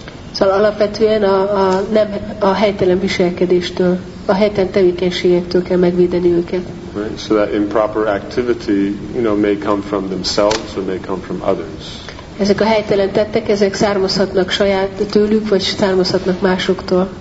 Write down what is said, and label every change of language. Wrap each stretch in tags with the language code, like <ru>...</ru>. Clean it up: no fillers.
<hu>Szóval alapvetően a helytelen viselkedéstől, a helytelen tevékenységektől kell megvédeni őket.</hu> <en>Right. So that improper activity, you know, may come from themselves or may come from others.</en> <hu>Ezek a helytelen tettek, ezek származhatnak saját tőlük, vagy származhatnak másoktól.</hu>